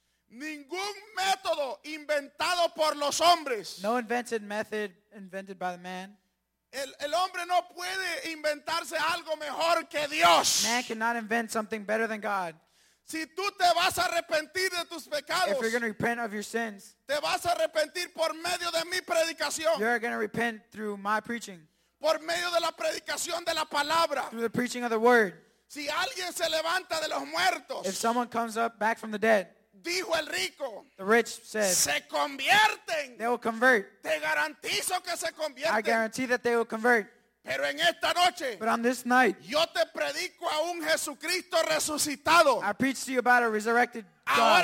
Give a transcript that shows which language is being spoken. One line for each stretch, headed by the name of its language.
Spanish: Ningún método inventado por los hombres.
English: No invented method invented by the man.
Spanish: El hombre no puede inventarse algo mejor que Dios.
English: Man cannot invent something better than God.
Spanish: Si tú te vas a arrepentir de tus pecados,
English: if you're going to repent of your sins,
Spanish: te vas a arrepentir por medio de mi predicación.
English: You're going to repent through my preaching.
Spanish: Por medio de la predicación de la palabra.
English: Through the preaching of the word.
Spanish: Si alguien se levanta de los muertos,
English: if someone comes up back from the dead,
Spanish: dijo el rico,
English: the rich said,
Spanish: se convierten.
English: They will convert.
Spanish: Te garantizo que se convierten.
English: I guarantee that they will convert.
Spanish: Pero en esta noche,
English: but on this night,
Spanish: yo te predico a un Jesucristo resucitado.
English: I preach to you about a resurrected God.